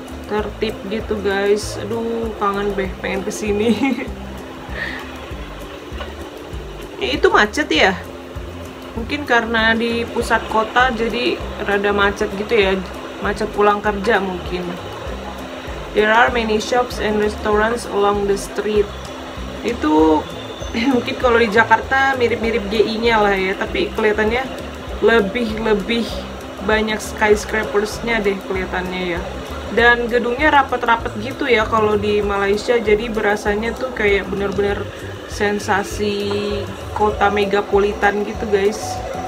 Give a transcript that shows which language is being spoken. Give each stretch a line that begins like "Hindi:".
Indonesian: Tertib gitu guys. Aduh, kangen beh, pengen kesini. Itu macet ya? Mungkin karena di pusat kota jadi rada macet gitu ya. Macet pulang kerja mungkin.
English: There are many shops and restaurants along the street.
Indonesian: Itu mungkin kalau di Jakarta mirip-mirip GI-nya lah ya, tapi kelihatannya lebih-lebih banyak skyscrapers-nya deh kelihatannya ya. Dan gedungnya rapet-rapet gitu ya kalau di Malaysia, jadi berasanya tuh kayak bener-bener sensasi kota megapolitan gitu guys.